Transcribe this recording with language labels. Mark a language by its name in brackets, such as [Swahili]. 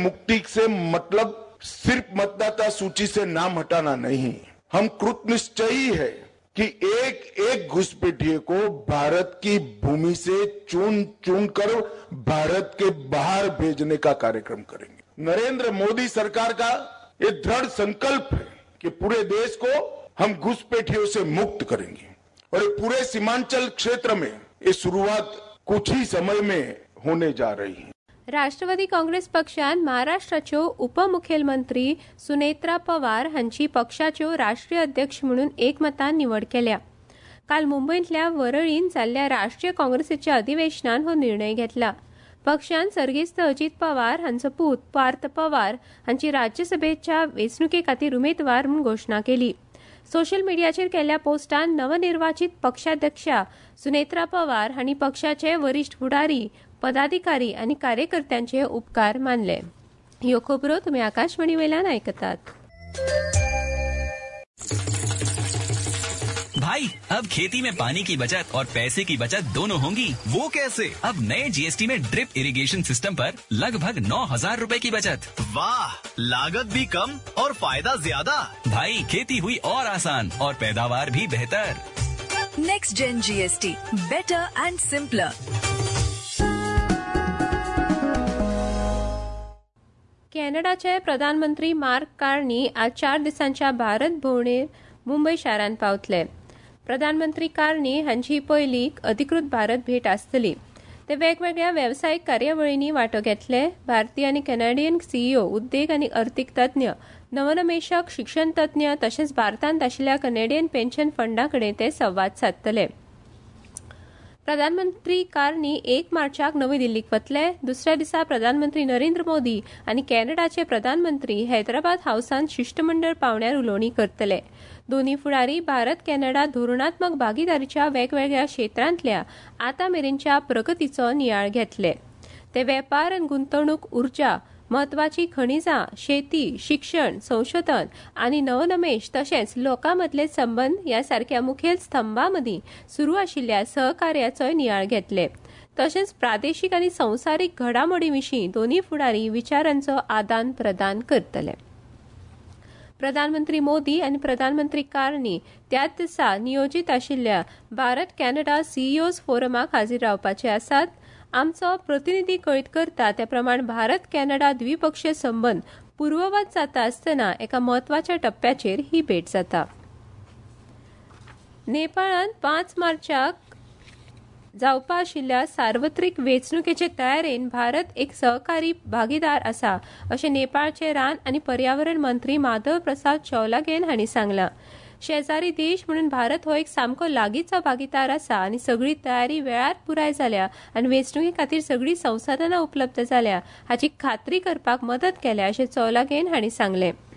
[Hindi] मतलब सिर्फ मतदाता सूची से नाम हटाना नहीं, हम कृत निश्चयी है कि एक एक घुसपैठिए को भारत की भूमि से चुन चुन कर भारत के बाहर भेजने का कार्यक्रम करेंगे. नरेंद्र मोदी सरकार का ये दृढ़ संकल्प है कि पूरे देश को हम घुसपैठियों से मुक्त करेंगे और पूरे सीमांचल क्षेत्र में ये शुरुआत कुछ ही समय में होने जा रही है. [Goan Konkani] राष्ट्रवादी काँग्रेस पक्षान महाराष्ट्राच्यो उपमुखेलमंत्री सुनेत्रा पवार हांची पक्षाच्यो राष्ट्रीय अध्यक्ष म्हणून एकमतान निवड केल्या. काल मुंबईतल्या वरळीन जाल्ल्या राष्ट्रीय काँग्रेसीच्या अधिवेशनान हो निर्णय घेतला. पक्षान सर्गेस्त अजित पवार हांचो पूत पार्थ पवार हांची राज्यसभेच्या वेंचणुके खातीर उमेदवार म्हणून घोषणा केली. सोशल मीडियाचेर केल्ल्या पोस्टान नवनिर्वाचित पक्षाध्यक्षा सुनेत्रा पवार हांणी पक्षाचे वरिष्ठ फुडारी, पदाधिकारी आनी कार्यकर्त्यांचे उपकार मानले. ह्यो खबरो तुम्ही आकाशवाणी वेल्यान आयकतात. [Hindi] भाई, अब खेती में पानी की बचत और पैसे की बचत दोनों होंगी. वो कैसे? अब नए GST में ड्रिप इरिगेशन सिस्टम पर लगभग 9,000 रुपए की बचत. वाह, लागत भी कम और फायदा ज्यादा. भाई, खेती हुई और आसान और पैदावार भी बेहतर. [English] Next gen GST, better and simpler. [Goan Konkani] कॅनडाचे प्रधानमंत्री मार्क कार्नी आज 4 दिसांच्या भारत भोंवडेर मुंबय शारांत पावतले. प्रधानमंत्री कार्नी हांची पयली अधिकृत भारत भेट आसतली. ते वेगवेगळ्या वेवसायीक कार्यावळींनी वांटो घेतले. भारतीय आनी कॅनडियन CEO, उद्देग आनी अर्थिक तज्ञ, नवनमेशक, शिक्षण तज्ञ तशेंच भारतांत आशिल्ल्या कॅनडियन पेन्शन फंडाकडे ते संवाद साधतले. प्रधानमंत्री कार्नी 1 मार्चाक नवी दिल्लीक वतले. दुसऱ्या दिसा प्रधानमंत्री नरेंद्र मोदी आनी कॅनडाचे प्रधानमंत्री हैदराबाद हाऊसांत शिष्टमंडळ पावण्यार उलोवणी करतले. दोनी फुडारी भारत कॅनडा धोरणात्मक भागीदारीच्या वेगवेगळ्या क्षेत्रांतल्या आता मेरेनच्या प्रगतीचो नियाळ घेतले. ते वेपार आनी गुंतवणूक, उर्जा, म्हत्वाची खनिजां, शेती, शिक्षण, संशोधन आनी नवनमेश तशेंच लोकांमदले संबंध ह्या सारख्या मुखेल स्तंभां मदीं सुरू आशिल्ल्या सहकार्याचोय नियाळ घेतले. तशेंच प्रादेशीक आनी संवसारीक घडामोडी विशीं दोनी फुडारी विचारांचो आदान प्रदान करतले. प्रधानमंत्री मोदी आनी प्रधानमंत्री कार्नी त्याच दिसा नियोजीत आशिल्ल्या भारत कॅनडा सीईओज फोरमाक हाजीर रावपाचे आसात. आमचो प्रतिनिधी कळीत करता त्या प्रमाण भारत कॅनडा द्विपक्षीय संबंध पूर्ववत जाता आसतना एका म्हत्वाच्या टप्प्याचेर ही भेट जाता. नेपाळांत 5 मार्चाक जावपा आशिल्ल्या सार्वत्रीक वेंचणुकेचे तयारेन भारत एक सहकारी भागीदार आसा अशें नेपाळचे रान आनी पर्यावरण मंत्री माधव प्रसाद चौलागेन हांणी सांगला. शेजारी देश म्हणून भारत हो एक सामको लागींचो भागीदार आसा आनी सगळी तयारी वेळार पुराय जाल्या आनी वेंचणुके खातीर सगळी संसाधनां उपलब्ध जाल्या हाची खात्री करपाक मदत केल्या अशें चौलागेन हांणी सांगले.